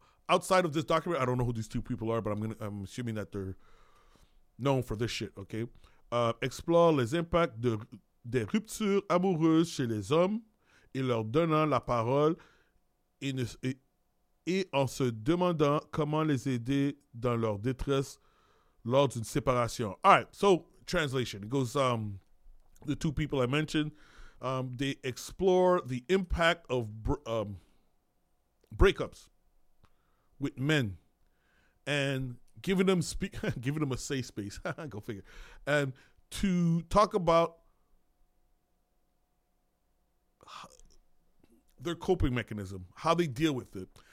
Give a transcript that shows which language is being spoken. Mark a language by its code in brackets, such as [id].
[en] Outside of this documentary, I don't know who these two people are, but I'm assuming that they're known for this shit. [fr] Okay, explore les impacts des ruptures amoureuses chez les hommes, et leur donnant la parole, et en se demandant comment les aider dans leur détresse lors d'une séparation. [en] All right, so translation. It goes the two people I mentioned. They explore the impact of breakups with men, and giving them a safe space, go figure, and to talk about their coping mechanism, how they deal with it.